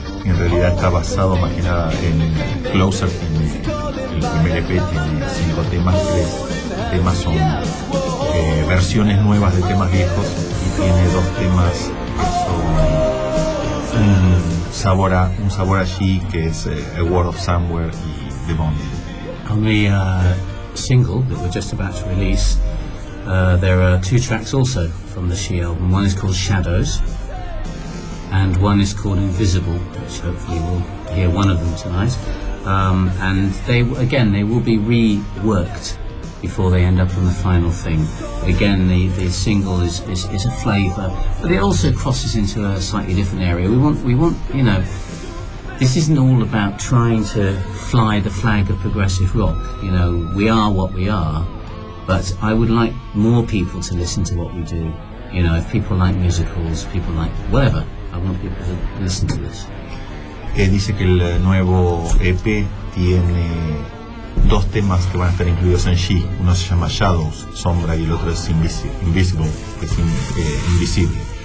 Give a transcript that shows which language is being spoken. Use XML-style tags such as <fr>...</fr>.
<es>En realidad está basado más que nada en Closer, tiene el primer EP, tiene 5 temas, 3 temas son versiones nuevas de temas viejos, y tiene 2 temas que son un sabor allí, que es A World of Somewhere y The Bond.</es> <en>On the single that we're just about to release, there are 2 tracks also from the She album. One is called Shadows and one is called Invisible, which hopefully we'll hear one of them tonight. And they will be reworked before they end up on the final thing. Again, the single is a flavour, but it also crosses into a slightly different area. We want, you know, this isn't all about trying to fly the flag of progressive rock. You know, we are what we are, but I would like more people to listen to what we do. You know, if people like musicals, people like whatever, I want people to listen to this.</en> <es>Dice que el nuevo EP tiene 2 temas que van a estar incluidos en She. Uno se llama Shadows, sombra, y el otro es Invisible, que es invisible.</es>